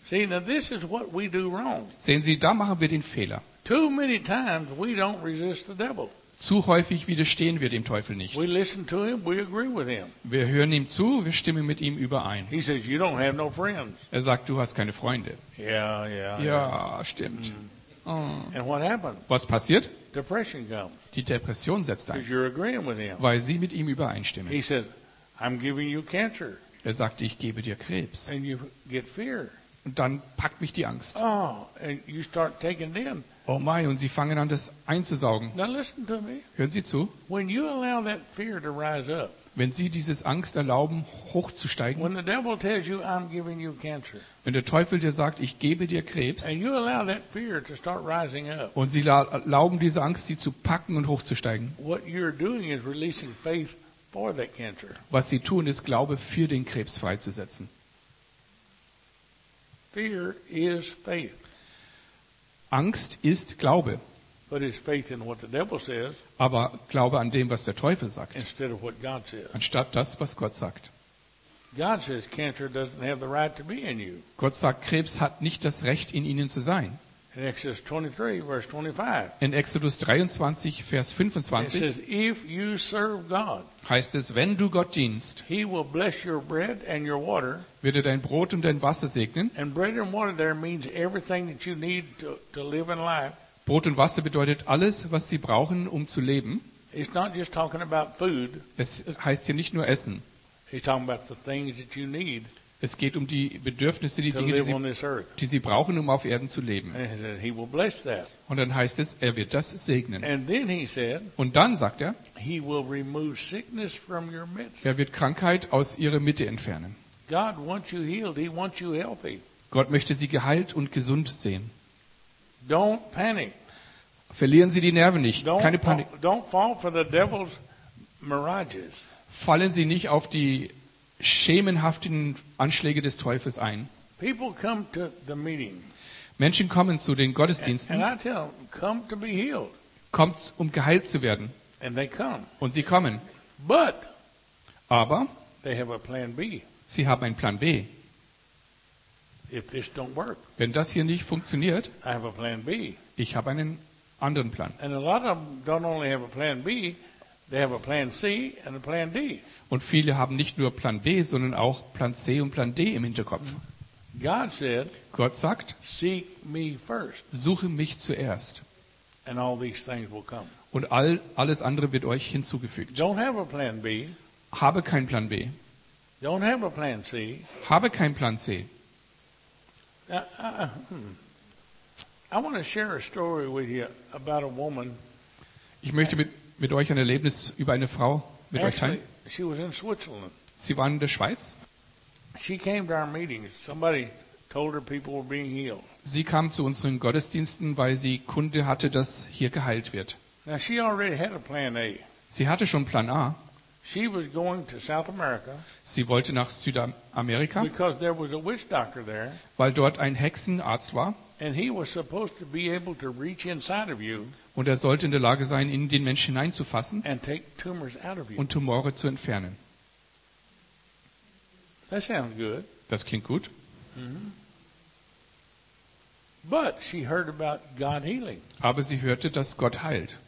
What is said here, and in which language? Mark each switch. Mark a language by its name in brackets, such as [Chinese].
[English] See, now this is what we do wrong. [German] Sehen Sie, da machen wir den Fehler. [English] Too many times we don't resist the devil. [German] Zu häufig widerstehen wir dem Teufel nicht. [English] We listen to him, we agree with him. [German] Wir hören ihm zu, wir stimmen mit ihm überein. [English] He says, you don't have no friends. [German] Er sagt, du hast keine Freunde. [English] Yeah, yeah, [German] ja, ja, stimmt. [English] And what happened? [German] Was passiert? [English] Depression comes. [German] Die Depression setzt ein. [English] You're agreeing with him. [German] Weil sie mit ihm übereinstimmen. [English] He said, I'm giving you cancer. [German] Er sagte, ich gebe dir Krebs. [English] And you get fear. [German] Und dann packt mich die Angst. [English] Oh, and you start taking them. [German] Oh mein, und sie fangen an, das einzusaugen. [English] Now listen to me. [German] Hören Sie zu. [English] When you allow that fear to rise up, [German] wenn Sie dieses Angst erlauben, hochzusteigen, [English] when the devil tells you, I'm giving you cancer, [German] wenn der Teufel dir sagt, ich gebe dir Krebs, [English] and you allow that fear to start rising up, [German] und Sie erlauben diese Angst, sie zu packen und hochzusteigen, [English] what you're doing is releasing faith for that cancer. [German] Was Sie tun, ist Glaube für den Krebs freizusetzen. [English] Fear is faith. [German] Angst ist Glaube. [English] But it's faith in what the devil says, [German] aber Glaube an dem, was der Teufel sagt, [English] instead of what God says. [German] Anstatt das, was Gott sagt. [English] God says cancer doesn't have the right to be in you. [German] Gott sagt, Krebs hat nicht das Recht, in ihnen zu sein. [English] In Exodus 23, verse 25. [German] In Exodus 23, Vers 25. [English] It says, if you serve God, [German] heißt es, wenn du Gott dienst, [English] he will bless your bread and your water, [German] wird er dein Brot und dein Wasser segnen. [English] And bread and water there means everything that you need to live in life. [German] Brot und Wasser bedeutet alles, was sie brauchen, um zu leben. [English] It's not just talking about food. [German] Es heißt hier nicht nur Essen. [English] He's talking about the things that you need. [German] Es geht um die Bedürfnisse, die Dinge, die sie brauchen, um auf Erden zu leben. [English] He will bless that. [German] Und dann heißt es, er wird das segnen. [English] And then he said, [German] und dann sagt er, [English] he will remove sickness from your midst. [German] Er wird Krankheit aus ihrer Mitte entfernen. [English] God wants you healed, he wants you healthy. [German] Gott möchte sie geheilt und gesund sehen. [English] Don't panic. [German] Verlieren Sie die Nerven nicht. [English] Don't [German] keine Panik. [English] Don't fall for the devil's mirages. [German] Fallen Sie nicht auf die schemenhaften Anschläge des Teufels ein. [English] People come to the meeting. [German] Menschen kommen zu den Gottesdiensten. [English] And I tell them, come to be healed. [German] Kommt, um geheilt zu werden. [English] And they come. [German] Und sie kommen. [English] But [German] aber [English] they have a plan B. [German] Sie haben einen Plan B. [English] If this don't work, [German] wenn das hier nicht funktioniert, [English] I have a plan B. [German] Ich habe einen anderen Plan. [English] And a lot of them don't only have a plan B, they have a plan C and a plan D. [German] Und viele haben nicht nur Plan B, sondern auch Plan C und Plan D im Hinterkopf. [English] God said, [German] Gott sagt, [English] seek me first. [German] Suche mich zuerst. [English] And all these things will come. [German] Und alles andere wird euch hinzugefügt. [English] Don't have a plan B. [German] Habe keinen Plan B. [English] Don't have a plan C. [German] Habe keinen Plan C. [English] I want to share a story with you about a woman. [German] Ich möchte mit euch ein Erlebnis über eine Frau mit euch teilen. [English] She was in Switzerland. [German] Sie war in der Schweiz. [English] She came to our meetings. Somebody told her people were being healed. [German] Sie kam zu unseren Gottesdiensten, weil sie Kunde hatte, dass hier geheilt wird. [English] Now she already had a plan A. [German] Sie hatte schon Plan A. [English] She was going to South America. [German] Sie wollte nach Südamerika. [English] Because there was a witch doctor there. [German] Weil dort ein Hexenarzt war. [English] And he was supposed to be able to reach inside of you. [German] Und er sollte in der Lage sein, in den Menschen hineinzufassen. [English] And take tumors out of you. [German] Und Tumore zu entfernen. [English] That sounds good. [German] Das klingt gut. Mm-hmm. [English] But she heard about God healing. [German] Aber sie hörte, dass Gott heilt.